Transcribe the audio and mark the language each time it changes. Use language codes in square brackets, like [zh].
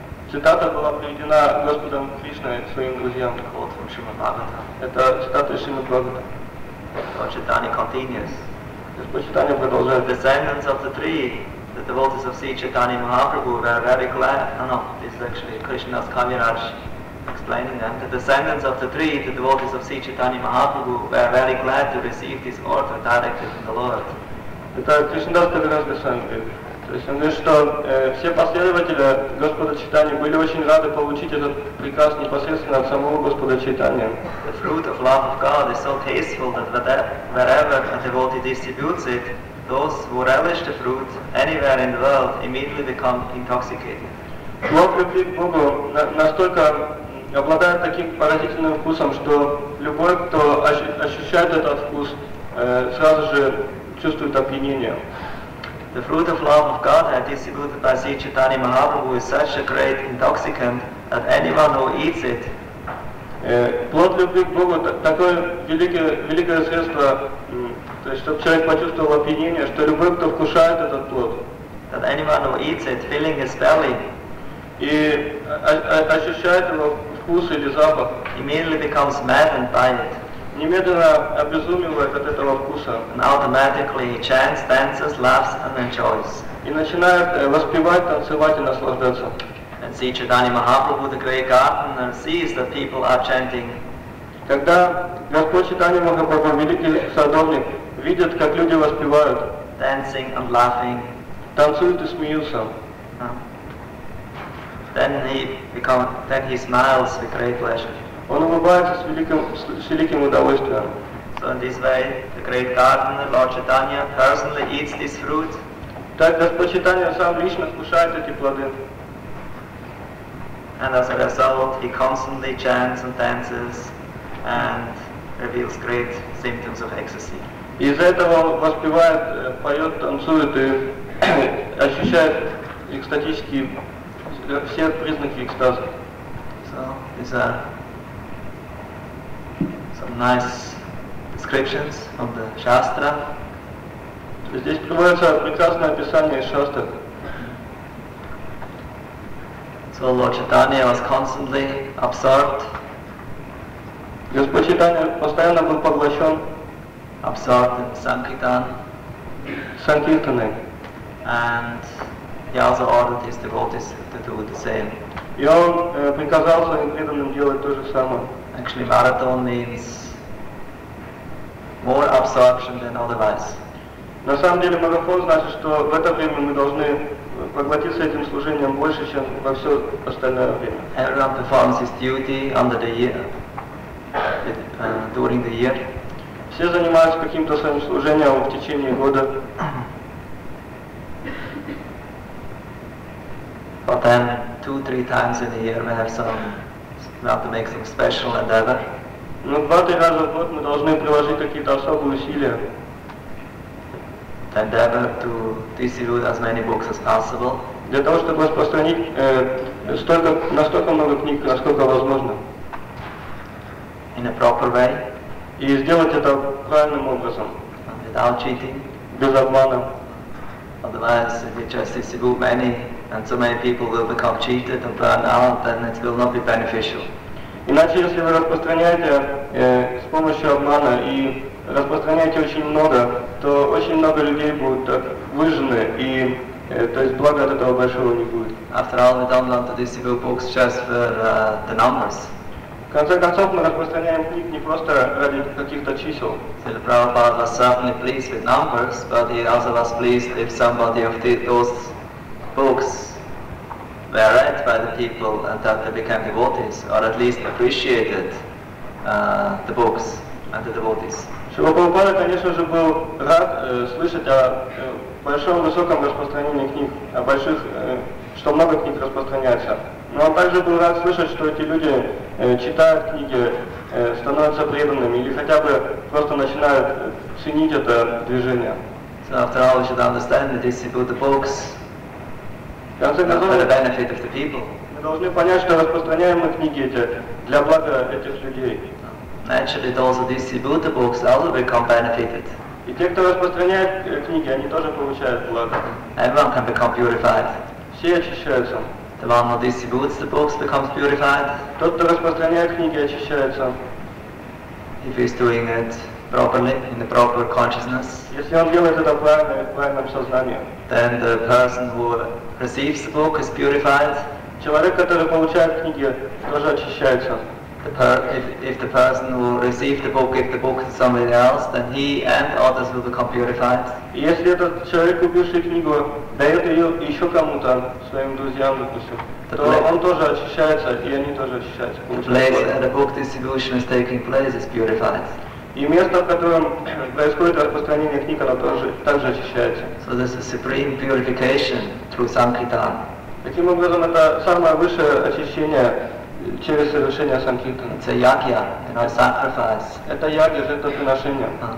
[ru] Цитата была приведена Господом Кришной своим друзьям. [en] Quote from Shrimad Bhagavatam. [ru] Это цитата из Шримад Бхагаватам. [en] Lord Chaitanya continues. [ru] Господь Чайтанья продолжает. [en] The descendants of the tree, the devotees of Sri Chaitanya Mahaprabhu, were very glad. No, this is actually Krishna's Kaviraj explaining them. The descendants of the tree, the devotees of Sri Chaitanya Mahaprabhu, were very glad to receive this order directed from the Lord. [ru] Это Кришнадас Кавираж Госвами говорит. То есть он говорит, что все последователи Господа Чайтаньи были очень рады получить этот приказ непосредственно от самого Господа Чайтаньи. [en] The fruit of love of God is so tasteful that wherever a devotee distributes it, those who relish the fruit anywhere in the world immediately become intoxicated. [ru] Плод любви к Богу настолько обладает таким поразительным вкусом, что любой, кто ощущает этот вкус, сразу же чувствует опьянение. [en] The fruit of love of God had distributed by Sri Chaitanya Mahaprabhu is such a great intoxicant that anyone who eats it. [ru] Плод любви к Богу такое великое средство, то есть чтобы человек почувствовал опьянение, что любой, кто вкушает этот плод. [en] That anyone who eats it, filling his belly. [ru] И ощущает его вкус или запах. [en] Immediately becomes maddened by it. [ru] Немедленно обезумевает от этого вкуса. [en] And automatically he chants, dances, laughs and enjoys. [ru] И начинает воспевать, танцевать и наслаждаться. [en] And Sri Chaitanya Mahaprabhu, the great gardener, sees that people are chanting. [ru] Когда Господь Чайтанья Махапрабху, великий садовник, видит, как люди воспевают. [en] Dancing and laughing. [ru] Танцуют и смеются. [en] Then he smiles with great pleasure. [ru] Он улыбается с великим удовольствием. [en] So in this way, the great gardener, Lord Chaitanya, personally eats this fruit. [ru] Так Господь Чайтанья сам лично вкушает эти плоды. [en] And as a result, he constantly chants and dances and reveals great symptoms of ecstasy. [ru] Из-за этого он воспевает, поет, танцует и ощущает экстатические, все признаки экстаза. [en] So, is a some nice descriptions of the Shastra. [ru] Здесь приводится прекрасное описание из Шастры. [en] So Lord Chaitanya was constantly absorbed. [ru] Господь Чайтанья постоянно был поглощен. [en] Absorbed in Sankirtan. [ru] Sankirtane. [en] And he also ordered his devotees to do the same. [ru] И он приказал своим преданным делать то же самое. [en] Actually, marathon means more absorption than otherwise. [ru] На самом деле марафон значит, что в это время мы должны поглотиться этим служением больше, чем во все остальное время. [en] Everyone performs his duty under the year, during the year. [ru] Все занимаются каким-то своим служением в течение года. [en] But then, 2-3 times in the year we have some, we have to make some special endeavor. [ru] Но 2-3 раза в год мы должны приложить какие-то особые усилия. [en] endeavor to distribute as many books as possible. [ru] Для того, чтобы распространить настолько много книг, насколько возможно. [en] In a proper way. [ru] И сделать это правильным образом. [en] Without cheating. [ru] Без обмана. [en] Otherwise, if you just distribute many, and so many people will become cheated and burn out, then it will not be beneficial. [ru] Иначе, если вы распространяете с помощью обмана и распространяете очень много, то очень много людей будут так выжжены, и то есть блага от этого большого не будет. [en] After all, we don't want to distribute books just for the numbers. [ru] В конце концов, мы распространяем книги не просто ради каких-то чисел. [en] Srila Prabhupada was certainly pleased with numbers, but he also was pleased if somebody of those books were read by the people and that they became devotees, or at least appreciated the books and the devotees. [ru] Srila Prabhupada, конечно же, был рад слышать о большом, высоком распространении книг, о больших, что много книг распространяется. Но он также был рад слышать, что эти люди читают книги, становятся преданными или хотя бы просто начинают ценить это движение. [en] So after all, we should understand that distribute the books for the benefit of the people. [ru] Мы должны понять, что распространяемые книги эти для блага этих людей. [en] Naturally, those who distribute the books also become benefited. [ru] И те, кто распространяет книги, они тоже получают благо. [en] Everyone can become purified. [ru] Все очищаются. [en] The one who distributes the books becomes purified. [ru] Тот, кто распространяет книги, очищается. [en] If he's doing it properly, in the proper consciousness. [ru] Если он делает это в правильном сознании. [en] Then the person who receives the book is purified. [ru] Человек, который получает книги, тоже очищается. [en] If the person who received the book gives the book to somebody else, then he and others will become purified. [ru] Если этот человек, купивший книгу, дает ее еще кому-то, своим друзьям, допустим, то он тоже очищается, и они тоже очищаются. [en] The place the book distribution is taking place is purified. [ru] И место, в котором происходит распространение книг, оно тоже также очищается. [en] So this is supreme purification through sankirtan. [ru] Таким образом, это самое высшее очищение через совершение санкхитана. Это ягья, это sacrifice. Это ягья, это приношение.